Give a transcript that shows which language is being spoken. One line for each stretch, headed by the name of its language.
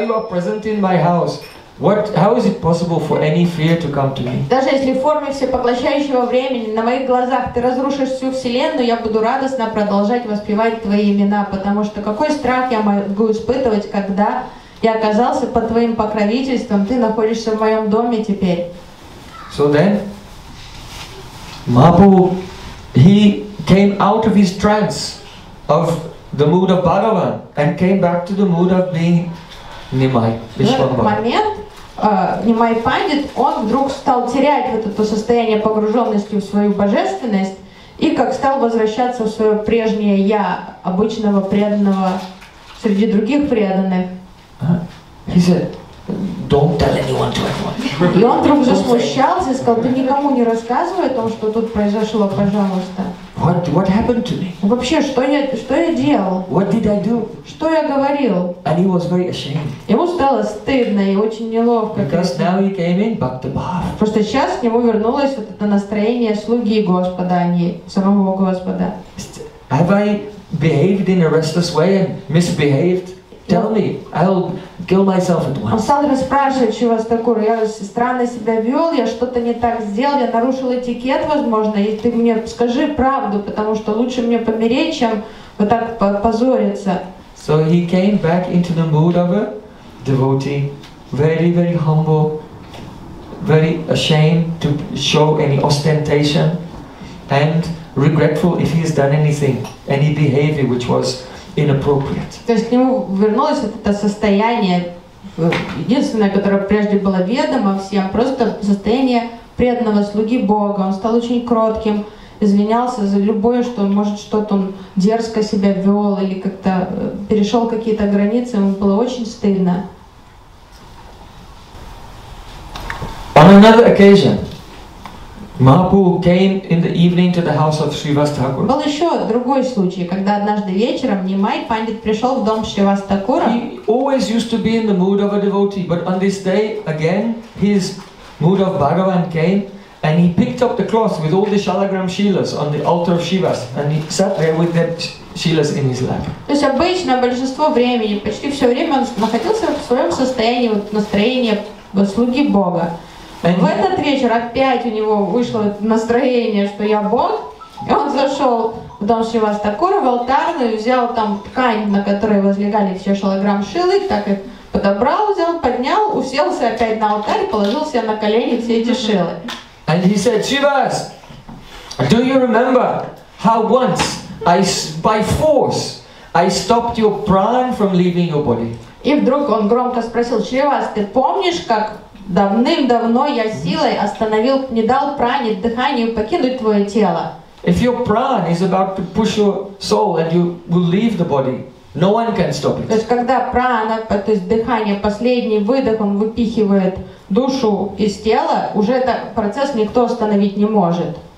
English: Present in my house, what? How is it possible for any fear to come to me?
Russian: Даже если в форме всепоглощающего времени на моих глазах ты разрушишь всю вселенную, я буду радостно продолжать воспевать твои имена, потому что какой страх я могу испытывать, когда я оказался под твоим покровительством, ты находишься в моем доме теперь.
English: So then, Mahaprabhu, he came out of his trance of the mood of Bhagavan and came back to the mood of being.
Russian: В этот момент Нимай Пандит, он вдруг стал терять вот это состояние погруженности в свою божественность и как стал возвращаться в свое прежнее «я» обычного преданного среди других преданных.
English: He said, don't tell anyone to anyone.
Russian: И он вдруг засмущался и сказал, ты никому не рассказывай о том, что тут произошло, пожалуйста.
English: What happened to me?
Russian: Вообще, что я делал?
English: What did I do?
Russian: Что я говорил?
English: And he was very ashamed.
Russian: Ему стало стыдно и очень неловко.
English: Because now he came in Bhakti Bhava.
Russian: Просто сейчас к нему вернулось вот это настроение слуги Господа, а не самого Господа.
English: Have I behaved in a restless way and misbehaved? Tell me, I'll kill myself at once.
Russian: Он стал расспрашивать Шривасту Такура, я странно себя вел, я что-то не так сделал, я нарушил этикет, возможно, и ты мне скажи правду, потому что лучше мне помереть, чем вот так позориться.
English: So he came back into the mood of a devotee, very, very humble, very ashamed to show any ostentation, and regretful if he has done anything, any behavior which was inappropriate.
Russian: То есть к нему вернулось вот это состояние, единственное, которое прежде было ведомо всем, просто состояние преданного слуги Бога. Он стал очень кротким, извинялся за любое, что он, может, что-то он дерзко себя вел или как-то перешел какие-то границы, ему было очень стыдно.
English: On another occasion, Mahaprabhu came in the evening to the house of Shrivast Thakur.
Russian: Был еще другой случай, когда однажды вечером Нимай Пандит пришел в дом Шривас Такура.
English: He always used to be in the mood of a devotee, but on this day again his mood of Bhagavan came, and he picked up the cloth with all the shalagram shilas on the altar of Shivas, and he sat there with that shilas in his lap.
Russian: То есть обычно большинство времени, почти все время он находился в своем состоянии, вот настроении слуги Бога. В этот вечер опять у него вышло настроение, что я Бог, и он зашел в дом Шривасту Такура, в алтарную, взял там ткань, на которой возлегали все шалограм шилы, так их подобрал, взял, поднял, уселся опять на алтарь, положил себе на колени все эти шилы.
English: And he said, Shivas, do you remember how once I, by force, I stopped your prana from leaving your body?
Russian: И вдруг он громко спросил, Шривас, ты помнишь, как давным-давно я силой остановил, не дал пране, дыханию покинуть твое тело.
English: If your prana is about to push your soul and you will leave the body, No one can stop it.
Russian: То есть когда прана, то есть дыхание, последний выдох, он выпихивает душу из тела, уже этот процесс никто остановить не может.